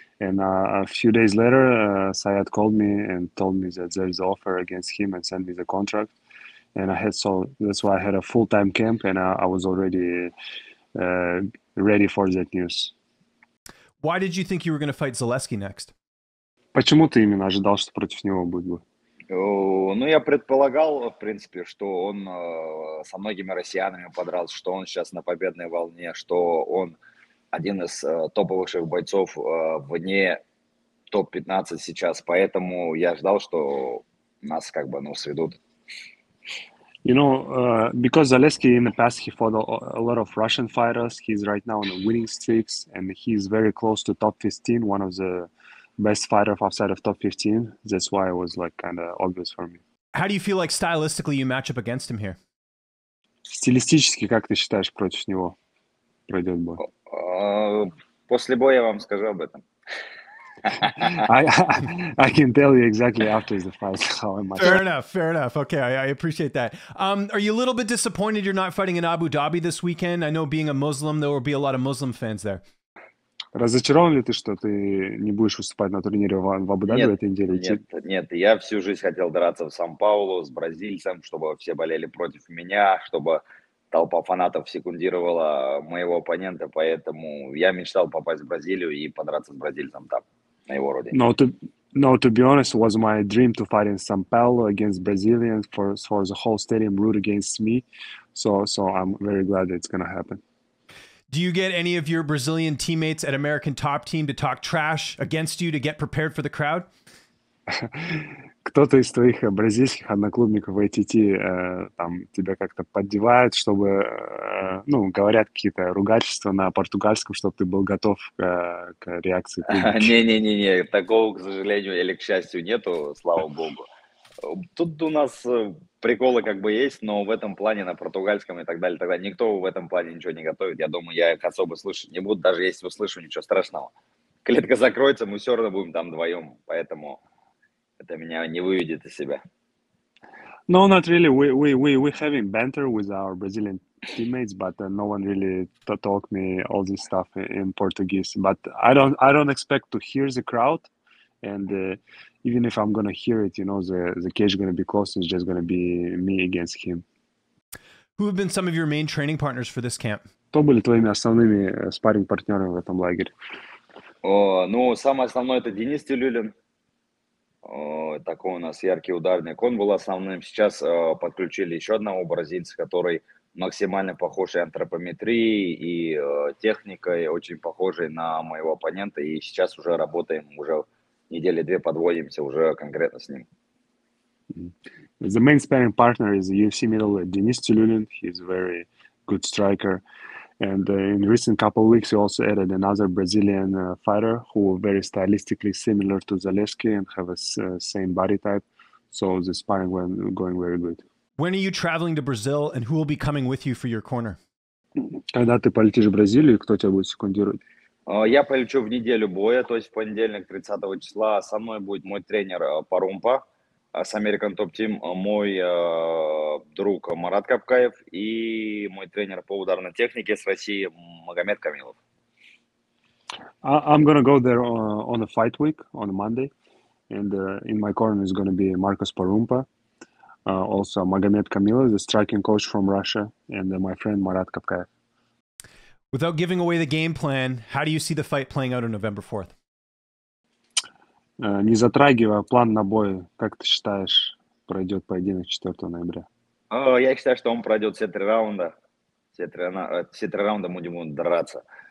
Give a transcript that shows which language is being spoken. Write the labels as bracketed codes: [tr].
[en] And a few days later, Sayed called me and told me that there's an offer against him and sent me the contract. And I had so that's why I had a full-time camp and I was already ready for that news. Why did you think you were going to fight Zaleski next? [ru] Почему ты именно ожидал, что против него будет бой? Ну, я предполагал, в принципе, что он со многими россиянами подрался, что он сейчас на победной волне, что он один из топовых бойцов вне топ-15 сейчас, поэтому я ждал, что нас как бы ну сведут. [en] You know, because Zaleski in the past he fought a lot of Russian fighters, he's right now on a winning streak, and he's very close to top-15, one of the best fighters outside of top-15. That's why it was like kind of obvious for me. How do you feel like stylistically you match up against him here? [ru] Стилистически как ты считаешь против него пройдет бой? После боя я вам скажу об этом. [en] I can tell you exactly after the fight how much. Fair enough, fair enough. Okay, I appreciate that. Are you a little bit disappointed you're not fighting in Abu Dhabi this weekend? I know being a Muslim, there will be a lot of Muslim fans there. [ru] Разочарован ли ты, что ты не будешь выступать на турнире в Абу-Даби в этой неделе? Нет, нет, я всю жизнь хотел драться в Сан-Паулу с бразильцем, чтобы все болели против меня, чтобы толпа фанатов секундировала моего оппонента, поэтому я мечтал попасть в Бразилию и подраться с бразильцем там, на его родине. [en] To be honest, was my dream to fight in São Paulo against Brazilians for the whole stadium root against me, so I'm very glad it's gonna happen. Do you get any of your Brazilian teammates at American Top Team to talk trash against you to get prepared for the crowd? [ru] Кто-то из твоих бразильских одноклубников в ATT там тебя как-то поддевает, чтобы, ну, говорят какие-то ругательства на португальском, чтобы ты был готов к реакции публики? Не-не-не, такого, к сожалению или к счастью, нету, слава богу. Тут у нас приколы как бы есть, но в этом плане на португальском и так далее, тогда никто в этом плане ничего не готовит. Я думаю, я их особо слышать не буду, даже если услышу, ничего страшного. Клетка закроется, мы все равно будем там вдвоем, поэтому это меня не выведет из себя. [en] No, not really. We having banter with our Brazilian teammates, but no one really talk me all this stuff in Portuguese. But I don't expect to hear the crowd. And even if I'm gonna hear it, you know, the cage gonna be close. It's just gonna be me against him. Who have been some of your main training partners for this camp? [ru] Кто были твоими основными спарринг-партнерами в этом лагере? Ну, самый основной это Денис Тилюлин. Такой у нас яркий ударник. Он был основным. Сейчас подключили еще одного бразильца, который максимально похож антропометрией и техникой, очень похожий на моего оппонента. И сейчас уже работаем уже. Недели две подводимся уже конкретно с ним. [en] The main sparring partner is UFC middleweight Denis Tilulin. He's a very good striker. And in recent couple of weeks, he also added another Brazilian fighter who are very stylistically similar to Zaleski and have a same body type. So the sparring went going very good. When are you traveling to Brazil and who will be coming with you for your corner? [ru] Когда ты полетишь в Бразилию, кто тебя будет секундировать? Я полечу в неделю боя, то есть в понедельник 30 числа. Со мной будет мой тренер Парумпа с American Top Team, мой друг Марат Капкаев и мой тренер по ударной технике с России Магомед Камилов. [en] I'm gonna go there on a fight week on Monday, and in my corner is gonna be Marcus Parumpa, also Магомед Камилов, the striking coach from Russia, and my friend Марат Капкаев. Without giving away the game plan, how do you see the fight playing out on November 4th? [ru] Не затрагивая план на бой, как ты считаешь, пройдет поединок 4 ноября? Я считаю, что он пройдет все три раунда. Все три раунда будем драться.